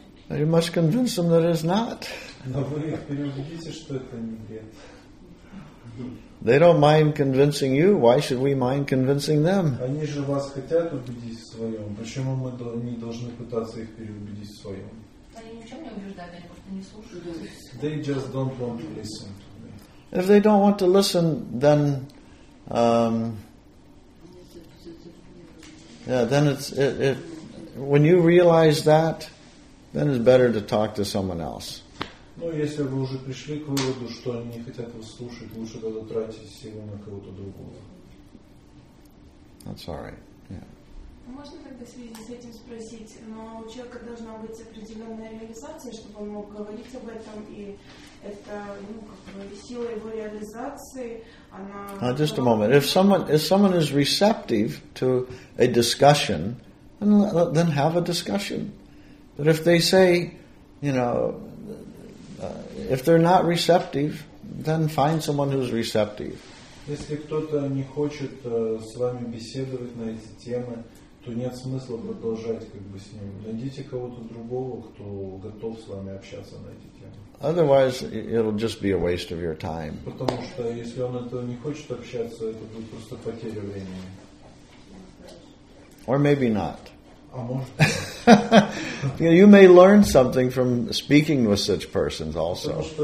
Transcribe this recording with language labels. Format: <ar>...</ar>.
<en>You must convince them that it is not.</en> <ru>Но вы их переубедите, что это не бред.</ru> <en>They don't mind convincing you. Why should we mind convincing them?</en> <ru>Они же вас хотят убедить в своем. Почему мы не должны пытаться их переубедить в своем? Они ни в чем не убеждают, они просто не слушают.</ru> <en>They just don't want to listen. If they don't want to listen, then then when you realize that, then it's better to talk to someone else.</en> <ru>Ну, если вы уже пришли к выводу, что они не хотят вас слушать, лучше тогда тратить силы на кого-то другого.</ru> <en>That's all right. Yeah.</en> <ru>Можно тогда в связи с этим спросить, но у человека должна быть определенная реализация, чтобы он мог говорить об этом, и это, ну, как бы сила его реализации, она.</ru> <en>Now, just a moment. If someone is receptive to a discussion, then have a discussion. But if they say, you know, if they're not receptive, then find someone who's receptive.</en> <ru>Если кто-то не хочет с вами беседовать на эти темы, то нет смысла продолжать как бы с ним. Найдите кого-то другого, кто готов с вами общаться на эти темы.</ru> <en>Otherwise, it'll just be a waste of your time.</en> <ru>Потому что если он этого не хочет общаться, это будет просто потеря времени.</ru> <en>Or maybe not. You know, you may learn something from speaking with such persons also.</en>